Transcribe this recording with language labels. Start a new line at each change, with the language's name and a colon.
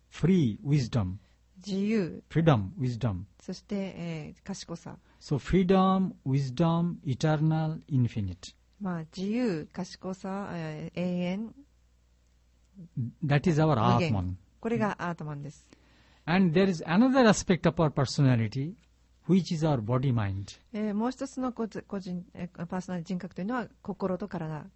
English: Free, wisdom.
Japanese: 自由。
English: Freedom, wisdom.
Japanese: そして、賢さ。
English: So freedom, wisdom, eternal, infinite.
Japanese: 自由、賢さ、永遠。
English: That is our Atman.
Japanese: これがアートマンです。
English: And there is another aspect of our personality, which is our body mind.
Japanese: もう一つの個人、パーソナル人格というのは心と体。